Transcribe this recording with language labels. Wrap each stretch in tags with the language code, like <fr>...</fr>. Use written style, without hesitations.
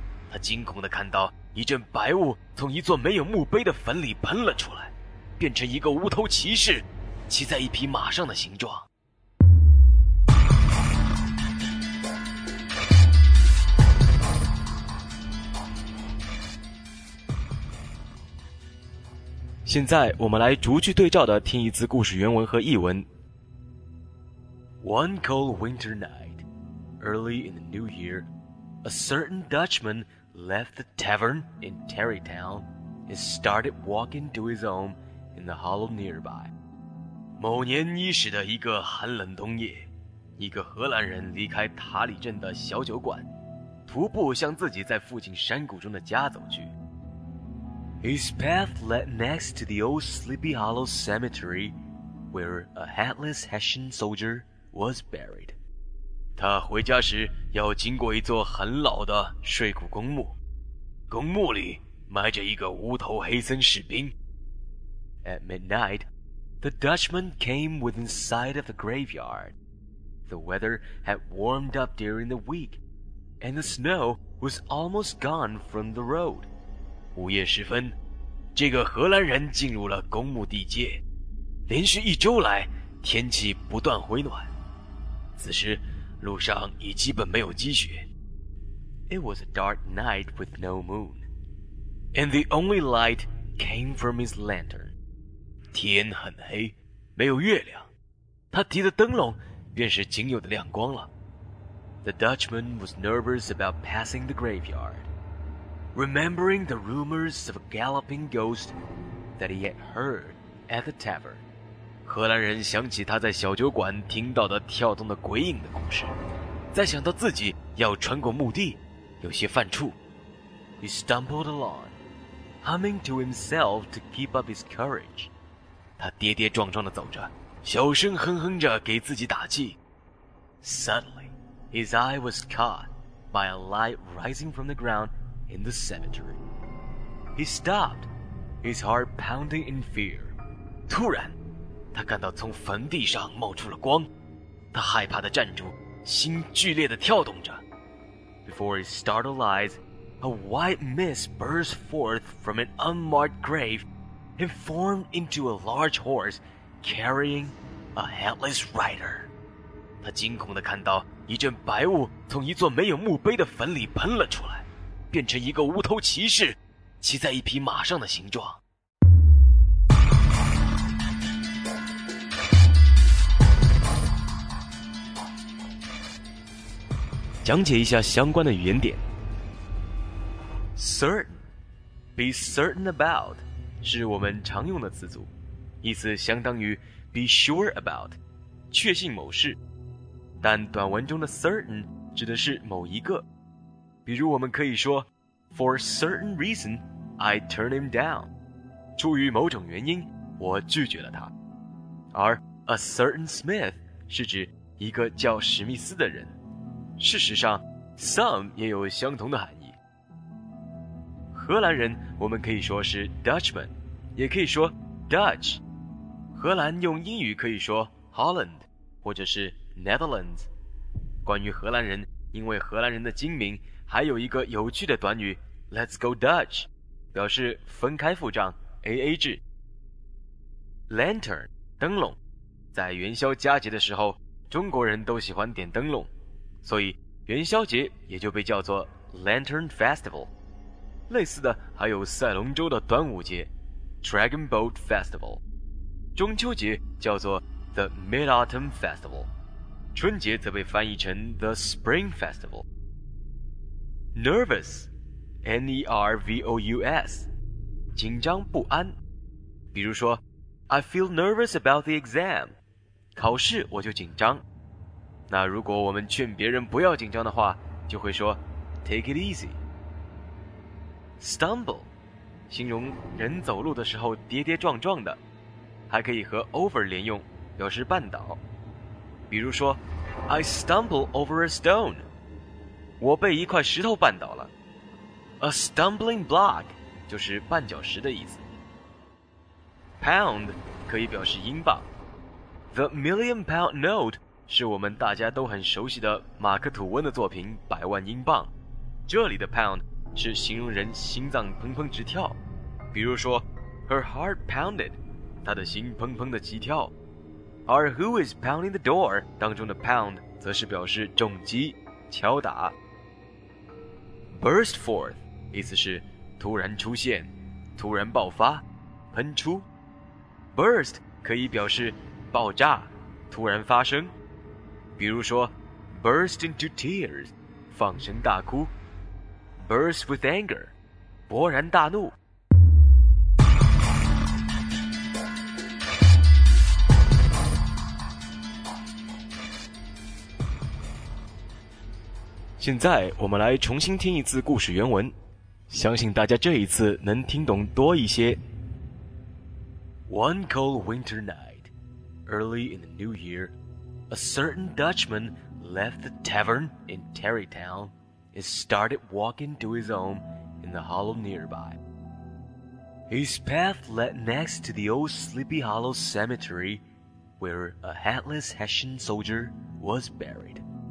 <zh>他惊恐地看到一阵白雾从一座没有墓碑的坟里喷了出来，变成一个无头骑士骑在一匹马上的形状。现在我们来逐句对照的听一次故事原文和译文。</zh> <en>One cold winter night, early in the new year, a certain Dutchmanleft the tavern in Tarrytown and started walking to his home in the hollow nearby.</en> <zh>某年伊始的一个寒冷冬夜，一个荷兰人离开塔里镇的小酒馆，徒步向自己在附近山谷中的家走去。</zh> <en>His path led next to the old Sleepy Hollow Cemetery, where a hatless Hessian soldier was buried.</en> <zh>他回家时要经过一座很老的睡骨公墓，公墓里埋着一个无头黑森士兵。</zh> <en>At midnight, the Dutchman came within sight of the graveyard. The weather had warmed up during the week, and the snow was almost gone from the road.</en> <zh>午夜时分，这个荷兰人进入了公墓地界。连续一周来，天气不断回暖。此时路上已基本没有积雪。</zh> <en>It was a dark night with no moon, and the only light came from his lantern.</en> <zh>天很黑，没有月亮，他提的灯笼便是仅有的亮光了。</zh> <en>The Dutchman was nervous about passing the graveyard, remembering the rumors of a galloping ghost that he had heard at the tavern.</en> <zh>荷兰人想起他在小酒馆听到的跳动的鬼影的故事，再想到自己要穿过墓地，有些犯怵。</zh> <en>He stumbled along, humming to himself to keep up his courage.</en> <zh>他跌跌撞撞地走着，小声哼哼着给自己打气。</zh> <en>Suddenly, his eye was caught by a light rising from the ground in the cemetery. He stopped, his heart pounding in fear.</en> <zh>突然，他感到从坟地上冒出了光，他害怕地站住，心剧烈地跳动着。</zh> <en>Before his startled eyes, a white mist burst forth from an unmarked grave and formed into a large horse carrying a headless rider.</en> <zh>他惊恐地看到一阵白雾从一座没有墓碑的坟里喷了出来，变成一个无头骑士骑在一匹马上的形状。讲解一下相关的语言点。</zh> <en>Certain, be certain about,</en> <zh>是我们常用的词组，意思相当于</zh> <en>be sure about,</en> <zh>确信某事。但短文中的 certain 指的是某一个。比如我们可以说</zh> <en>For certain reason, I turn him down.</en> <zh>出于某种原因，我拒绝了他。而</zh> <en>a certain Smith</en> <zh>是指一个叫史密斯的人。事实上 some 也有相同的含义。荷兰人我们可以说是 Dutchman, 也可以说 Dutch。荷兰用英语可以说 Holland 或者是 Netherlands。关于荷兰人，因为荷兰人的精明，还有一个有趣的短语</zh> <en>Let's go Dutch,</en> <zh>表示分开付账 AA 制。 Lantern 灯笼，在元宵佳节的时候，中国人都喜欢点灯笼，所以元宵节也就被叫做 Lantern Festival。类似的还有赛龙舟的端午节 Dragon Boat Festival。中秋节叫做 The Mid-Autumn Festival。春节则被翻译成 The Spring Festival。 Nervous, N-E-R-V-O-U-S, 紧张不安。比如说</zh> <en>I feel nervous about the exam,</en> <zh>考试我就紧张。那如果我们劝别人不要紧张的话，就会说</zh> <en>Take it easy.</en> <zh>Stumble, 形容人走路的时候跌跌撞撞的，还可以和 over 连用，表示绊倒。比如说</zh> <en>I stumble over a stone,</en> <zh>我被一块石头绊倒了。</zh> <en>A stumbling block</en> <zh>就是绊脚石的意思。Pound 可以表示英镑。</zh> <en>The million pound note</en> <zh>是我们大家都很熟悉的马克吐温的作品《百万英镑》，这里的 pound 是形容人心脏砰砰直跳，比如说</zh> <en>her heart pounded,</en> <zh>她的心砰砰的急跳。而</zh> <en>who is pounding the door</en> <zh>当中的 pound 则是表示重击、敲打。 burst forth 意思是突然出现、突然爆发、喷出。 burst 可以表示爆炸、突然发生，比如说</zh> <en>burst into tears,</en> <zh>放声大哭。</zh> <en>burst with anger,</en> <zh>勃然大怒。现在我们来重新听一次故事原文，相信大家这一次能听懂多一些。</zh> <en>One cold winter night, early in the new year,A certain Dutchman left the tavern in Tarrytown and started walking to his home in the hollow nearby. His path led next to the old Sleepy Hollow cemetery where a hatless Hessian soldier was buried.</en>